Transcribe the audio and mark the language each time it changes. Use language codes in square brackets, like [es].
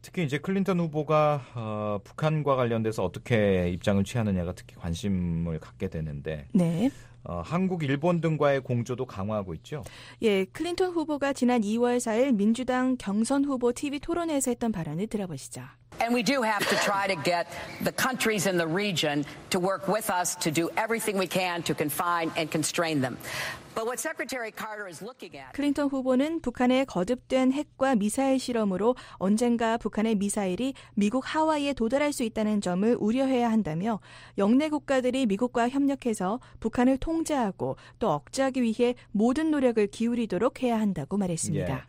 [ko] 특히 이제 클린턴 후보가 북한과 관련돼서 어떻게 입장을 취하느냐가 특히 관심을 갖게 되는데 네. 한국, 일본 등과의 공조도 강화하고 있죠? 예, 클린턴 후보가 지난 2월 4일 민주당 경선 후보 TV 토론회에서 했던 발언을 들어보시죠. [en] And we do have to try to get the countries in the region to work with us to do everything we can to confine and constrain them. But what Secretary Carter is looking at. [ko] 클린턴 후보는 북한의 거듭된 핵과 미사일 실험으로 언젠가 북한의 미사일이 미국 하와이에 도달할 수 있다는 점을 우려해야 한다며 영내 국가들이 미국과 협력해서 북한을 통제하고 또 억제하기 위해 모든 노력을 기울이도록 해야 한다고 말했습니다.